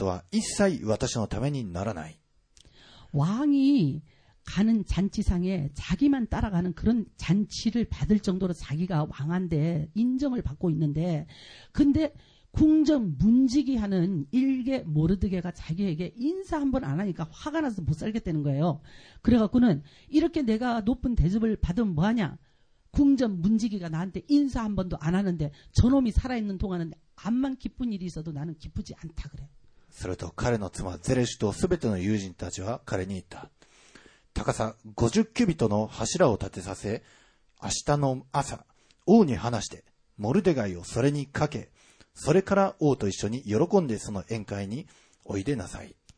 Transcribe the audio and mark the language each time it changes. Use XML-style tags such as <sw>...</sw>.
<ja>しかし私が王の門のところに座っているあのユダヤ人モルデカイを見なければならない間はこれらのことは一切私のためにならない.</ja> <ko>왕이 가는 잔치상에 자기만 따라가는 그런 잔치를 받을 정도로 자기가 왕한테 인정을 받고 있는데, 근데 궁전 문지기 하는 일개 모르드개가 자기에게 인사 한번 안 하니까 화가 나서 못 살겠다는 거예요. 그래갖고는 이렇게 내가 높은 대접을 받으면 뭐하냐, 궁전 문지기가 나한테 인사 한 번도 안 하는데 저놈이 살아있는 동안은 암만 기쁜 일이 있어도 나는 기쁘지 않다 그래.</ko> <ja>すると彼の妻ゼレシュとすべての友人たちは彼に言った。高さ50キュビトの柱を立てさせ、明日の朝、王に話して、モルデガイをそれにかけ、それから王と一緒に喜んでその宴会においでなさい。</ja>